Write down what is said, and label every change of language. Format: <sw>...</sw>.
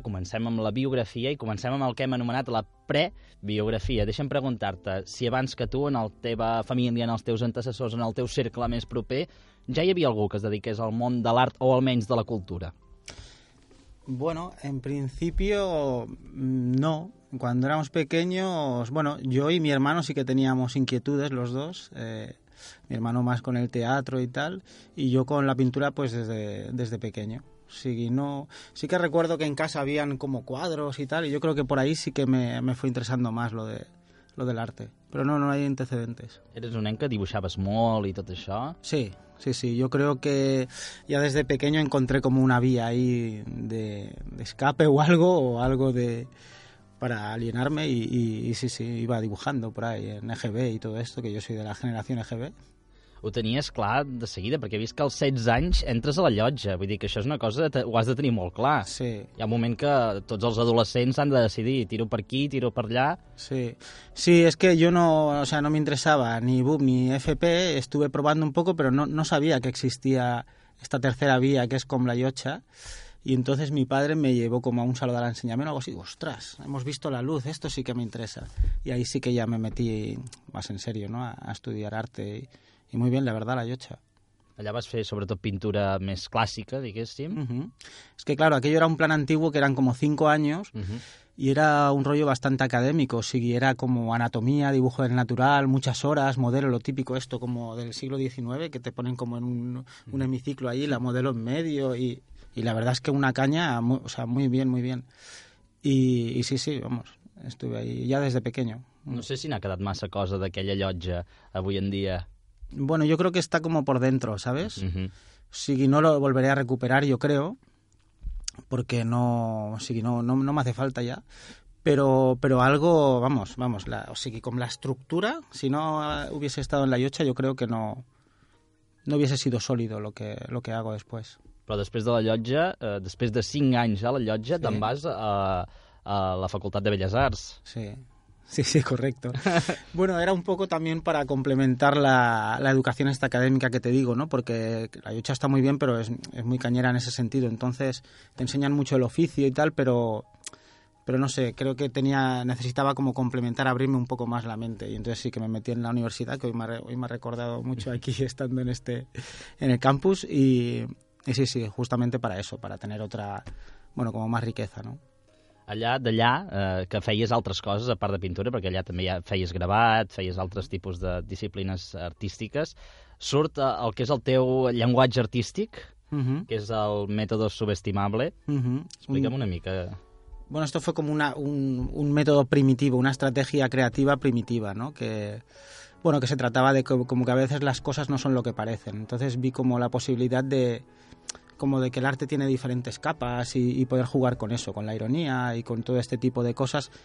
<ca>Comencem amb la biografia i comencem amb el que hem anomenat la prebiografia. Deixa'm preguntar-te si abans que tu, en la teva família, en els teus antecessors, en el teu cercle més proper, ja hi havia algú que es dediqués al món de l'art o almenys de la cultura?</ca> <es>Bueno, en principio no. Cuando éramos pequeños, bueno, yo y mi hermano sí que teníamos inquietudes los dos, mi hermano más con el teatro y tal, y yo con la pintura pues desde pequeño. Sí que recuerdo que en casa habían como cuadros y tal, y yo creo que por ahí sí que me fue interesando más lo del arte, pero no hay antecedentes.</es> <ca>Eres un nen que dibuixaves molt i tot això.</ca> <es>Sí, yo creo que ya desde pequeño encontré como una vía ahí de escape o algo de... para alienarme y iba dibujando por ahí en EGB y todo esto, que yo soy de la generación EGB.</es> <ca>Ho tenies clar de seguida, perquè he vist que als 16 anys entres a la llotja. Vull dir que això és una cosa, ho has de tenir molt clar. Sí. Hi ha un moment que tots els adolescents han de decidir, tiro per aquí, tiro per allà.</ca> <es>Sí, es que yo no, o sea, no me interesaba ni BUP ni FP, estuve probando un poco, pero no sabía que existía esta tercera vía, que es com la llotja. Y entonces mi padre me llevó como a un salón de la enseñanza, algo así, ostras, hemos visto la luz, esto sí que me interesa. Y ahí sí que ya me metí más en serio, ¿no?, a estudiar arte. Y muy bien, la verdad, la llotja.</es> <ca>Allà vas fer sobretot pintura més clàssica, diguéssim.</ca> <es>Es que claro, aquello era un plan antiguo que eran como 5 años y era un rollo bastante académico. O sea, era como anatomía, dibujo del natural, muchas horas, modelo, lo típico esto como del siglo XIX, que te ponen como en un hemiciclo ahí, la modelo en medio y... Y la verdad es que una caña, o sea, muy bien, muy bien. Y sí, vamos, estuve ahí ya desde pequeño.</es> <ca>No sé si n'ha quedat massa cosa d'aquella llotja avui en dia.</ca> <es>Bueno, yo creo que está como por dentro, ¿sabes? O sea, no lo volveré a recuperar, yo creo, porque no, o sea, no me hace falta ya. Pero algo, vamos, o sea, con la estructura, si no hubiese estado en la llotja, yo creo que no hubiese sido sólido lo que hago después.</es> <ca>Però després de la llotja, després de 5 anys a la llotja, sí. Te'n vas a la Facultat de Belles Arts.</ca> <es>Sí, correcto. Bueno, era un poco también para complementar la educación esta académica que te digo, ¿no? Porque la llotja está muy bien, pero es muy cañera en ese sentido. Entonces, te enseñan mucho el oficio y tal, pero no sé, creo que necesitaba como complementar, abrirme un poco más la mente. Y entonces sí que me metí en la universidad, que hoy me ha recordado mucho aquí estando en el campus y... Y sí, justamente para eso, para tener otra, bueno, como más riqueza, ¿no?</es> <ca>Allà, d'allà, que feies altres coses, a part de pintura, perquè allà també ja feies gravat, feies altres tipus de disciplines artístiques, surt el que és el teu llenguatge artístic, que és el mètode subestimable. Explica'm una mica.</ca> <es>Bueno, esto fue como un método primitivo, una estrategia creativa primitiva, ¿no? Bueno, que se trataba de como que a veces las cosas no son lo que parecen. Entonces vi como la posibilidad de como de que el arte tiene diferentes capas y poder jugar con eso, con la ironía y con todo este tipo de cosas.</es>